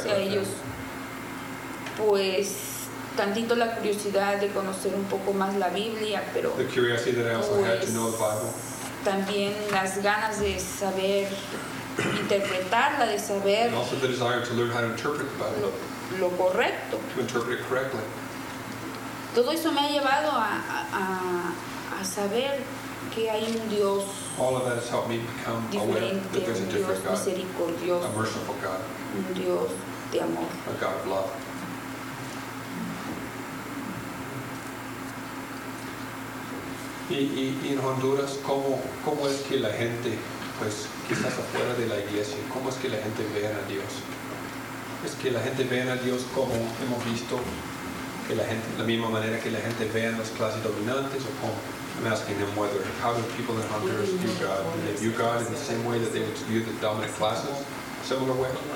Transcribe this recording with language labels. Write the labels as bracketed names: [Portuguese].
[Spanish] O sea, ellos, pues, tantito la curiosidad de conocer un poco más la Biblia, pero [English] the curiosity that I also [Spanish] pues, [English] had to know the Bible. [Spanish] También las ganas de saber interpretarla, de saber [English] and also the desire to learn how to interpret the Bible. [Spanish] Lo correcto. [English] To interpret it correctly. [Spanish] Todo eso me ha llevado a saber que hay un Dios. [English] All of that has helped me become aware that there's a different [Spanish] Dios misericordioso, [English] God, a merciful God. [Spanish] Un Dios de amor. [English] A God of love. [Spanish] Y en Honduras, ¿cómo es que la gente, pues, quizás afuera de la iglesia, cómo es que la gente ve a Dios? Es que la gente ve a Dios como hemos visto, que la gente, la misma manera que la gente ve a las clases dominantes, o cómo? [English] I'm asking them whether, how do people in Honduras view God? Do they view God in the same way that they would view the dominant classes? Similar way?